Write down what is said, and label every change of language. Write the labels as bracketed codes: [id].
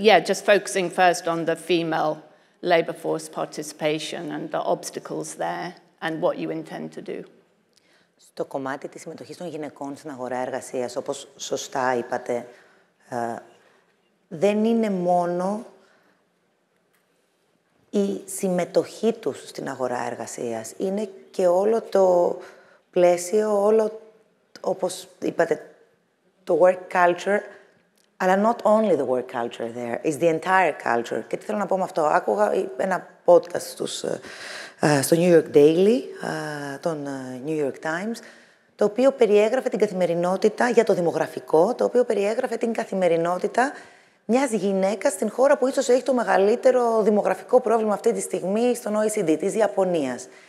[en] Just focusing first on the female labour force participation and the obstacles there and what you intend to do. [el] Στο κομμάτι της συμμετοχής των γυναικών στην αγορά εργασίας, όπως σωστά είπατε, δεν είναι μόνο η συμμετοχή τους στην αγορά εργασίας. Είναι και όλο το πλαίσιο, όλο, όπως είπατε, το work culture, αλλά [en] not only the work culture there, it's the entire culture. [el] Και τι θέλω να πω με αυτό. Άκουγα ένα podcast στο New York Daily, τον New York Times, το οποίο περιέγραφε την καθημερινότητα για το δημογραφικό, το οποίο περιέγραφε την καθημερινότητα μιας γυναίκας στην χώρα που ίσως έχει το μεγαλύτερο δημογραφικό πρόβλημα αυτή τη στιγμή στον OECD, της Ιαπωνίας.